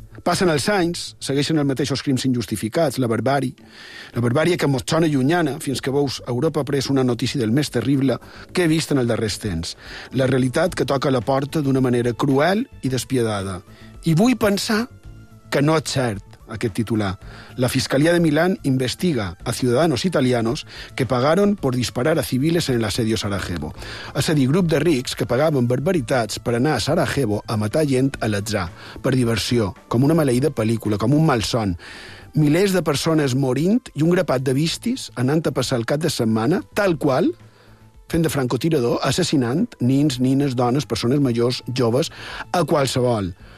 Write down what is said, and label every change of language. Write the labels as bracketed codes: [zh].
[ca] Passen els anys, segueixen els mateixos crims injustificats, la barbària que motxona llunyana fins que veus Europa pres una notícia del més terrible que he vist en el darrer temps. La realitat que toca la porta d'una manera cruel i despiadada. I vull pensar que no és cert aquest titular. [es] La Fiscalia de Milán investiga a ciudadanos italianos que pagaron por disparar a civiles en el asedio Sarajevo. [ca] És a dir, grup de rics que pagaven barbaritats per anar a Sarajevo a matar gent a l'atzar, per diversió, com una maleïda pel·lícula, com un malson. Milers de persones morint i un grapat de vistis anant a passar el cap de setmana, tal qual, fent de francotirador, assassinant nins, nines, dones, persones majors, joves, a qualsevol.